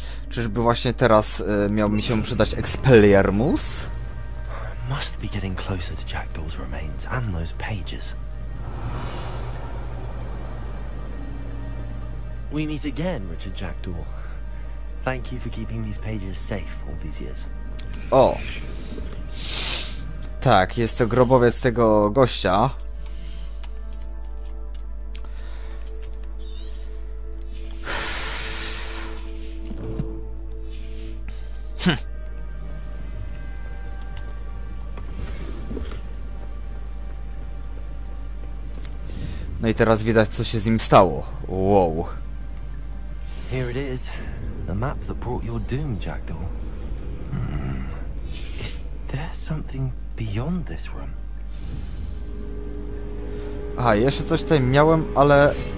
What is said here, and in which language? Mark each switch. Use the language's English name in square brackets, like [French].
[Polish] Czyżby właśnie teraz miał mi się przydać Expelliarmus? [English] Must be getting closer to Jackdaw's remains and those pages. We meet again, Richard Jackdaw. Thank you for keeping these pages safe all these years. O. [Polish] Tak, jest to grobowiec tego gościa. No i teraz widać, co się z nim stało. [English] Wow. Here it is. The map that brought your doom, Jackdaw. Is there something beyond this room? [Polish] Aha, jeszcze coś tutaj miałem, ale...